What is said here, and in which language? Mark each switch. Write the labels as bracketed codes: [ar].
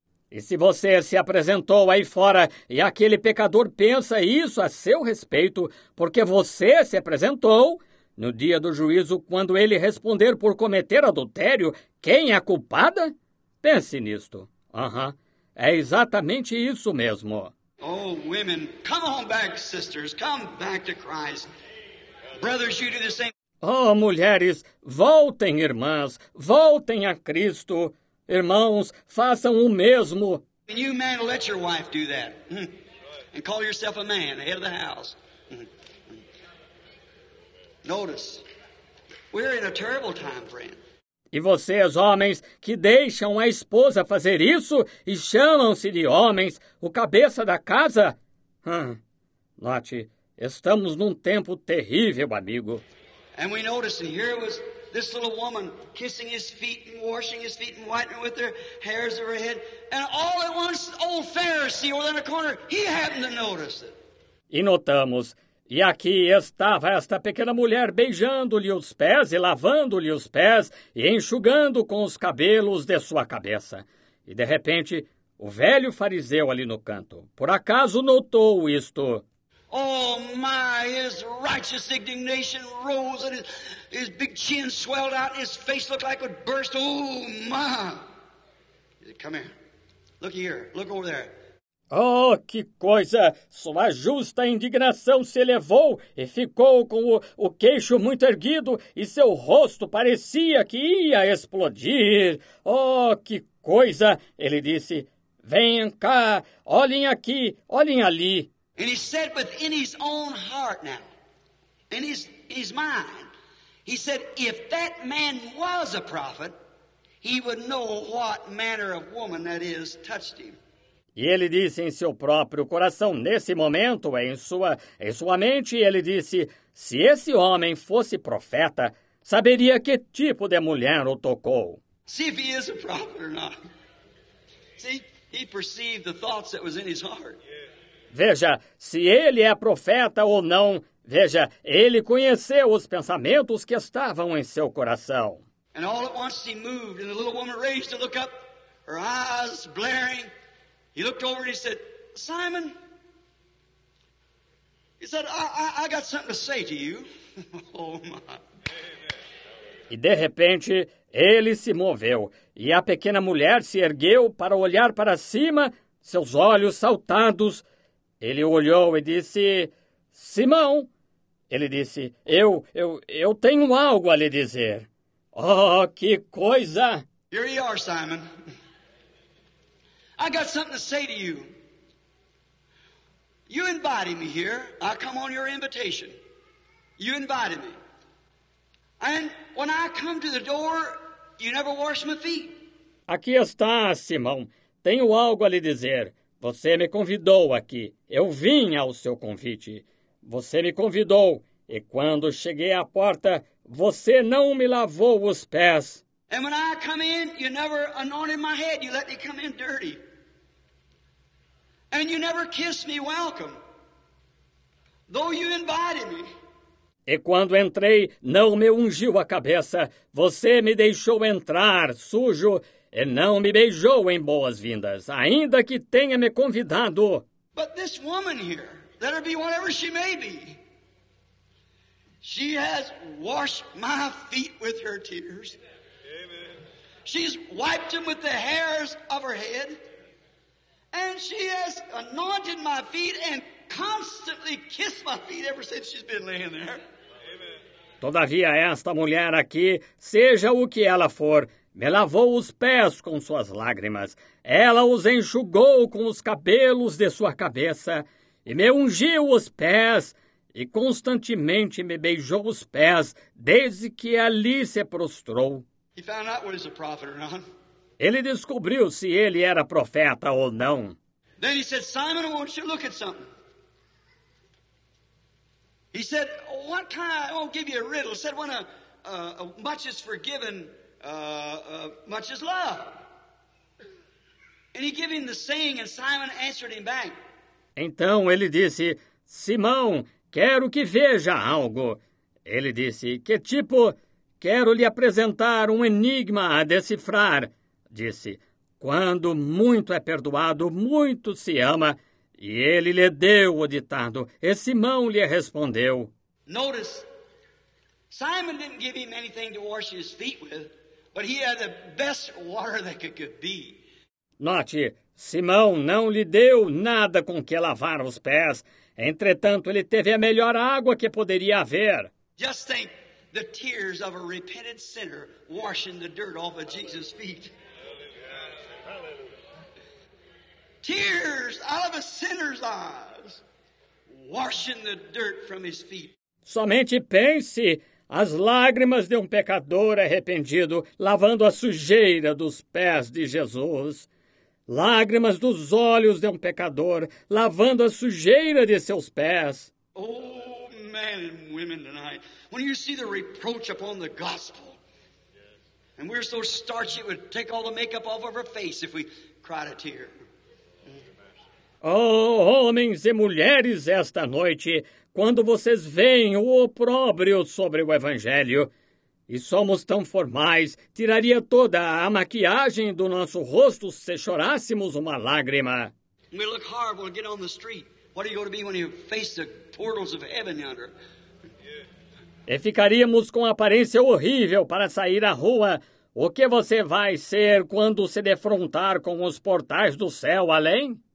[pt] E se você se apresentou aí fora e aquele pecador pensa isso a seu respeito, porque você se apresentou, no dia do juízo, quando ele responder por cometer adultério, quem é a culpada? Pense nisto. É exatamente isso mesmo. [en] Oh, women, come on back, sisters, come back to Christ. Brothers, you do the same. [pt] Oh, mulheres, voltem, irmãs, voltem a Cristo. Irmãos, façam o mesmo. [en] And you men, let your wife do that. And call yourself a man, head of the house. Notice, we're in a terrible time, friend. [pt] E vocês, homens, que deixam a esposa fazer isso e chamam-se de homens, o cabeça da casa? Note, estamos num tempo terrível, amigo. [en] And we notice, and here was this little woman kissing his feet and washing his feet and whitening with her hairs of her head. And all at once, the old Pharisee over in the corner, he happened to notice it. [pt] E notamos, e aqui estava esta pequena mulher beijando-lhe os pés e lavando-lhe os pés e enxugando com os cabelos de sua cabeça. E de repente, o velho fariseu ali no canto, por acaso notou isto. [en] Oh, my, his righteous indignation rose and his big chin swelled out and his face looked like it would burst. Oh, my. He said, come here. Look here. Look over there. [pt] Oh, que coisa! Sua justa indignação se elevou e ficou com o queixo muito erguido e seu rosto parecia que ia explodir. Oh, que coisa! Ele disse, venham cá, olhem aqui, olhem ali. [en] And he said within his own heart now, in his mind, he said, if that man was a prophet, he would know what manner of woman that is touched him. [pt] E ele disse em seu próprio coração, nesse momento, em sua mente, ele disse, se esse homem fosse profeta, saberia que tipo de mulher o tocou. [en] See if he is a prophet or not. See, he perceived the thoughts that was in his heart. [pt] Veja, se ele é profeta ou não, veja, ele conheceu os pensamentos que estavam em seu coração. [en] And all at once he moved, and the little woman raised to look up, her eyes blaring. He looked over and he said, Simon, he said, I got something to say to you. Oh, my. [pt] E de repente, ele se moveu, e a pequena mulher se ergueu para olhar para cima, seus olhos saltados. Ele olhou e disse, Simão, ele disse, eu tenho algo a lhe dizer. Oh, que coisa! [en] Here you are, Simon. I got something to say to you. You invited me here. I come on your invitation. You invited me. And when I come to the door, you never wash my feet. [pt] Aqui está, Simão. Tenho algo a lhe dizer. Você me convidou aqui. Eu vim ao seu convite. Você me convidou. E quando cheguei à porta, você não me lavou os pés. [en] And when I come in, you never anointed my head. You let me come in dirty. And you never kissed me welcome, though you invited me. [pt] E quando entrei, não me ungiu a cabeça. Você me deixou entrar sujo e não me beijou em boas-vindas, ainda que tenha me convidado. [en] But this woman here, let her be whatever she may be, she has washed my feet with her tears. Amen. She's wiped them with the hairs of her head. And she has anointed my feet and constantly kissed my feet ever since she's been laying there. Amen. [pt] Todavia, esta mulher aqui, seja o que ela for, me lavou os pés com suas lágrimas. Ela os enxugou com os cabelos de sua cabeça e me ungiu os pés e constantemente me beijou os pés desde que ali se prostrou. [en] He found out what is a prophet or not. [pt] Ele descobriu se ele era profeta ou não. [en] Then he said, Simon, I want you to look at something. He said, what kind, I won't give you a riddle. He said, when much is forgiven, much is loved. And he gave him the saying, and Simon answered him back. [pt] Então ele disse, Simão, quero que veja algo. Ele disse, que tipo, quero lhe apresentar um enigma a decifrar. Disse, quando muito é perdoado, muito se ama. E ele lhe deu o ditado. E Simão lhe respondeu. [en] Notice, Simon didn't give him anything to wash his feet with, but he had the best water that could be. [pt] Note, Simão não lhe deu nada com que lavar os pés. Entretanto, ele teve a melhor água que poderia haver. [en] Just think, the tears of a repentant sinner washing the dirt off of Jesus' feet. Tears out of a sinner's eyes, washing the dirt from his feet. [pt] Somente pense as lágrimas de um pecador arrependido lavando a sujeira dos pés de Jesus. Lágrimas dos olhos de um pecador lavando a sujeira de seus pés. [en] Oh, men and women tonight, when you see the reproach upon the gospel, and we're so starchy it would take all the makeup off of our face if we cried a tear. [pt] Oh, homens e mulheres, esta noite, quando vocês veem o opróbrio sobre o Evangelho, e somos tão formais, tiraria toda a maquiagem do nosso rosto se chorássemos uma lágrima. [en] We look horrible to get on the street. What are you going to be when you face the portals of heaven yonder? [pt] E ficaríamos com aparência horrível para sair à rua. O que você vai ser quando se defrontar com os portais do céu além?